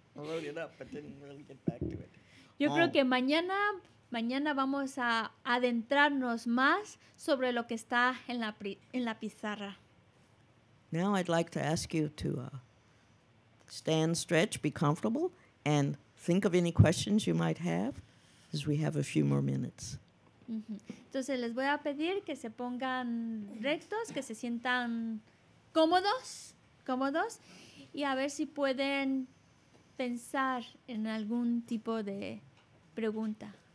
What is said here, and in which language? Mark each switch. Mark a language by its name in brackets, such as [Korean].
[English] I wrote it up, but didn't really get back to it. [Spanish] Yo creo que mañana vamos a adentrarnos más sobre lo que está en la pizarra. [English] Now I'd like to ask you to stand, stretch, be comfortable, and think of any questions you might have, as we have a few more minutes. [Spanish] Entonces les voy a pedir que se pongan rectos, que se sientan cómodos, y a ver si pueden pensar en algún tipo de pregunta.